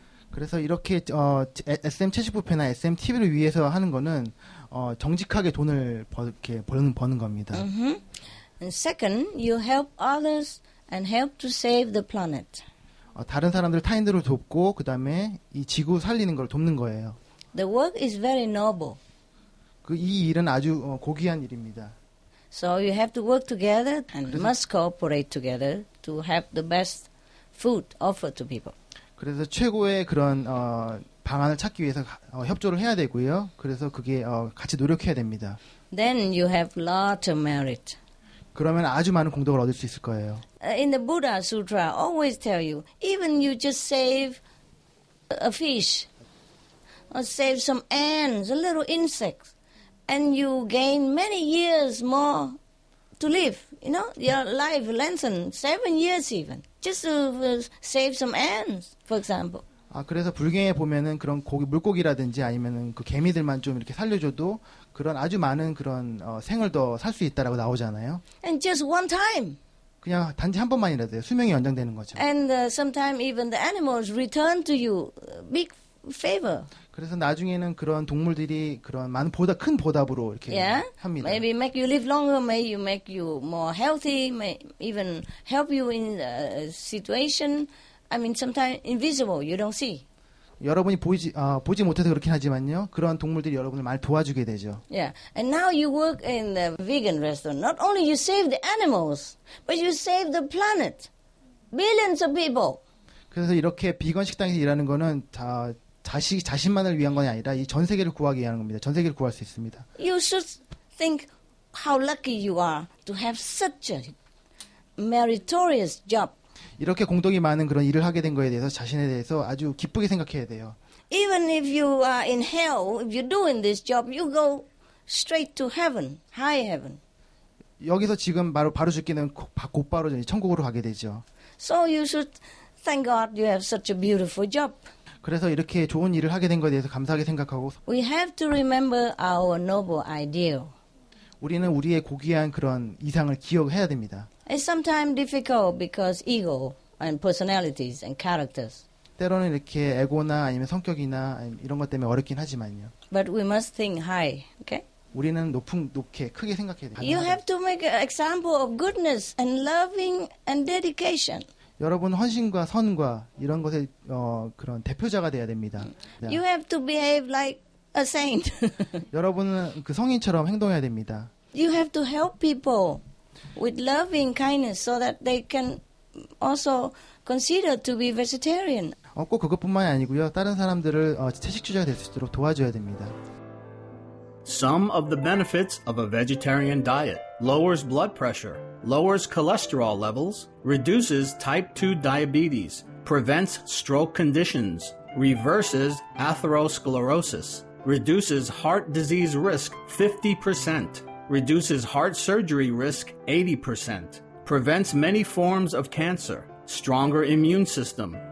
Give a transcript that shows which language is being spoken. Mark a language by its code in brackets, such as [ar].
[ko] 그래서 이렇게 SM 채식 뷔페나 SM TV를 위해서 하는 거는 정직하게 돈을 버는 겁니다. Mm-hmm. [en] And second, you help others and help to save the planet. [ko] 다른 사람들 타인들을 돕고 그다음에 이 지구 살리는 걸 돕는 거예요. [en] The work is very noble. [ko] 이 일은 아주 고귀한 일입니다. [en] So you have to work together and must cooperate together to have the best food offered to people. [ko] 그래서 최고의 그런 방안을 찾기 위해서 협조를 해야 되고요. 그래서 그게 같이 노력해야 됩니다. [en] Then you have lot of merit. [ko] 그러면 아주 많은 공덕을 얻을 수 있을 거예요. [en] In the Buddha Sutra, always tell you, even you just save a fish or save some ants, a little insect, and you gain many years more to live. You know, your life lengthens 7 years even. Just to save some ants, for example. [ko] 그래서 불경에 보면은 그런 고기 물고기라든지 아니면은 그 개미들만 좀 이렇게 살려줘도 그런 아주 많은 그런 생을 더 살 수 있다라고 나오잖아요. [en] And just one time. [ko] 그냥 단지 한 번만이라도요. 수명이 연장되는 거죠. [en] And sometimes even the animals return to you big favor. [ko] 그래서 나중에는 그런 동물들이 그런 많은 보다 큰 보답으로 이렇게 yeah? 합니다. [en] Maybe make you live longer, may you make you more healthy, may even help you in a situation. I mean, sometimes invisible, you don't see. [ko] 여러분이 보지 못해서 그렇긴 하지만요. 그런 동물들이 여러분을 많이 도와주게 되죠. [en] Yeah, and now you work in a vegan restaurant. Not only you save the animals, but you save the planet. Billions of people. [ko] 그래서 이렇게 비건 식당에서 일하는 거는 다. 자신만을 위한 건 아니라 이 전 세계를 구하기 위한 겁니다. 전 세계를 구할 수 있습니다. [en] You should think how lucky you are to have such a meritorious job. [ko] 이렇게 공덕이 많은 그런 일을 하게 된 거에 대해서 자신에 대해서 아주 기쁘게 생각해야 돼요. [en] Even if you are in hell, if you're doing this job, you go straight to heaven, high heaven. [ko] 여기서 지금 바로 죽기는 곧바로 천국으로 가게 되죠. [en] So you should thank God you have such a beautiful job. [ko] 그래서 이렇게 좋은 일을 하게 된 것에 대해서 감사하게 생각하고 [en] We have to remember our noble ideal. [ko] 우리는 우리의 고귀한 그런 이상을 기억해야 됩니다. [en] It's sometimes difficult because ego and personalities and characters. [ko] 때로는 이렇게 에고나 아니면 성격이나 아니면 이런 것 때문에 어렵긴 하지만요. [en] But we must think high, okay? [ko] 우리는 높게 크게 생각해야 됩니다. [en] You have to make an example of goodness and loving and dedication. [ko] 여러분 헌신과 선과 이런 것의 그런 대표자가 되어야 됩니다. [en] You have to behave like a saint. [ko] 여러분은 그 성인처럼 행동해야 됩니다. [en] You have to help people with loving kindness so that they can also consider to be vegetarian. [ko] 꼭 그것뿐만이 아니고요. 다른 사람들을 채식주의자가 될 수 있도록 도와줘야 됩니다. [en] Some of the benefits of a vegetarian diet lowers blood pressure, lowers cholesterol levels, reduces type 2 diabetes, prevents stroke conditions, reverses atherosclerosis, reduces heart disease risk 50%, reduces heart surgery risk 80%, prevents many forms of cancer, stronger immune system,